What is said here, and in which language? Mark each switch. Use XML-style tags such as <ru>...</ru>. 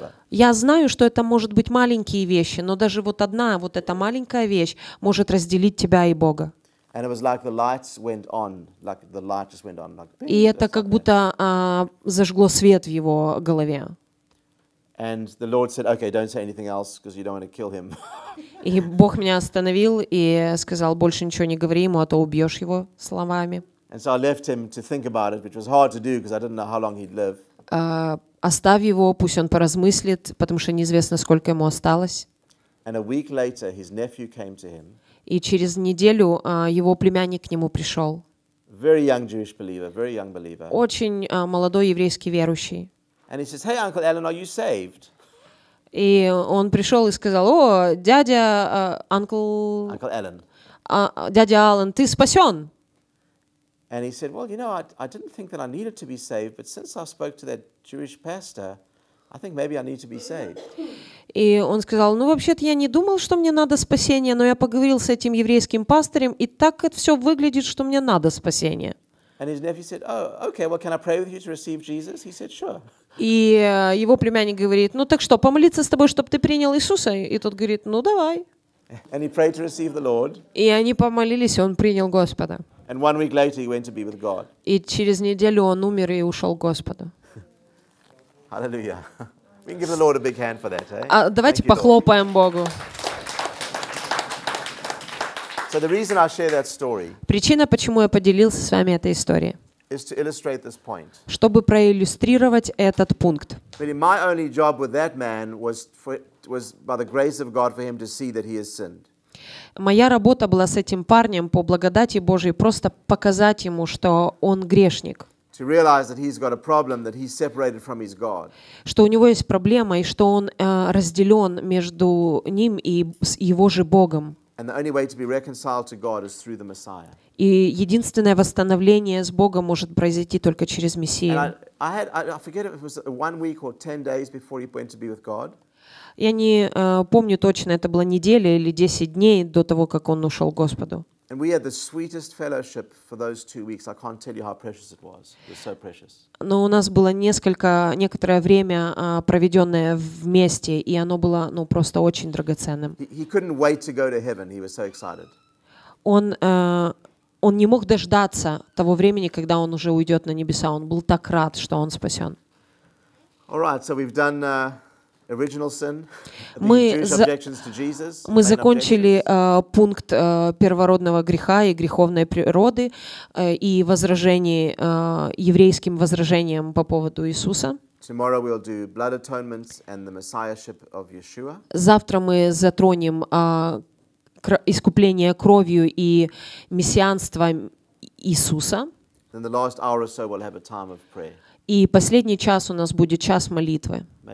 <ru>Я знаю, что это может быть маленькие вещи, но даже вот одна, вот эта маленькая вещь может разделить тебя и Бога.</ru> <en>And it was like the lights went on, like the light just went on.</en> <ru>И это как будто зажгло свет в его голове.</ru> <en>And the Lord said, "Okay, don't say anything else, because you don't want to kill him."</en> <ru>И Бог меня остановил и сказал, больше ничего не говори ему, а то убьешь его словами.</ru> <en>And so I left him to think about it, which was hard to do, because I didn't know how long he'd live.</en> <ru>Оставь его, пусть он поразмыслит, потому что неизвестно, сколько ему осталось.</ru> <en>And a week later, his nephew came to him.</en> <ru>И через неделю его племянник к нему пришел.</ru> <en>Very young Jewish believer, very young believer.</en> <ru>Очень молодой еврейский верующий.</ru> <en>And he says, "Hey, Uncle Alan, are you saved?"</en> <ru>И он пришел и сказал, "О, дядя,</ru> <en>Uncle Alan,</en> <ru>дядя Алан, ты спасен?"</ru> <en>And he said, "Well, you know, I didn't think that I needed to be saved, but since I spoke to that Jewish pastor, I think maybe I need to be saved."</en> <ru>И он сказал, "Ну вообще-то я не думал, что мне надо спасение, но я поговорил с этим еврейским пастором, и так это все выглядит, что мне надо спасение."</ru> <en>And his nephew said, "Oh, okay. Well, can I pray with you to receive Jesus?" He said, "Sure."</en> <ru>И его племянник говорит, ну так что, помолиться с тобой, чтобы ты принял Иисуса? И тот говорит, ну давай.</ru> <en>And he prayed to receive the Lord.</en> <ru>И они помолились, и он принял Господа.</ru> <en>And one week later he went to be with God.</en> <ru>И через неделю он умер и ушел к Господу.</ru> <en>Hallelujah. We can give the Lord a big hand for that, eh?</en> <ru>Давайте</ru> <en>Thank</en> <ru>похлопаем</ru> <en>you, Lord.</en> <ru>Богу.</ru> <en>So the reason I share that story.</en> <ru>Причина, почему я поделился с вами этой историей.</ru> <en>Is to illustrate this point.</en> <ru>Чтобы проиллюстрировать этот пункт.</ru> <en>But my only job with that man was by the grace of God for him to see that he has sinned.</en> <ru>Моя работа была с этим парнем по благодати Божией просто показать ему, что он грешник.</ru> <en>To realize that he's got a problem, that he's separated from his God.</en> <ru>Что у него есть проблема и что он разделен между ним и его же Богом.</ru> <en>And the only way to be reconciled to God is through the Messiah.</en> <ru>И единственное восстановление с Богом может произойти только через Мессию.</ru> <en>I forget if it was 1 week or 10 days before he went to be with God.</en> <ru>Я не помню точно, это была неделя или 10 дней до того, как он ушел к Господу.</ru> <en>And we had the sweetest fellowship for those 2 weeks. I can't tell you how precious it was. It was so precious.</en> <ru>Но у нас было некоторое время проведенное вместе, и оно было, ну, просто очень драгоценным.</ru> <en>He couldn't wait to go to heaven. He was so excited.</en> <ru>Он не мог дождаться того времени, когда он уже уйдет на небеса. Он был так рад, что он спасен.</ru> <en>All right, so we've done original sin.</en> <ru>Мы закончили пункт первородного греха и греховной природы и возражение еврейским возражением по поводу Иисуса.</ru> <en>Tomorrow we'll do blood atonements and the messiahship of Yeshua.</en> <ru>Завтра мы затронем искупление кровью и мессианство Иисуса.</ru> <en>Then the last hour or so we'll have a time of prayer.</en> <ru>И последний час у нас будет час молитвы.</ru>